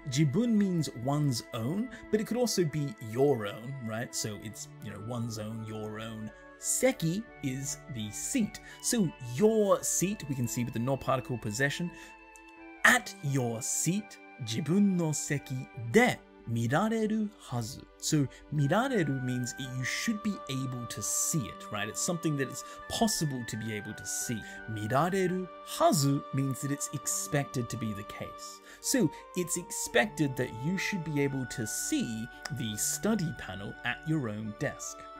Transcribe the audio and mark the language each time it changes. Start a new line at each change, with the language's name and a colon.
English: 自分 means one's own, but it could also be your own, right? So it's, you know, one's own, your own. 席 is the seat. So your seat, we can see with the no particle possession, at your seat,
Japanese: 自分の席で見られるはず.
English: So 見られる means you should be able to see it, right? It's something that it's possible to be able to see.
Japanese: 見られるはず
English: means that it's expected to be the case. So it's expected that you should be able to see the study panel at your own desk.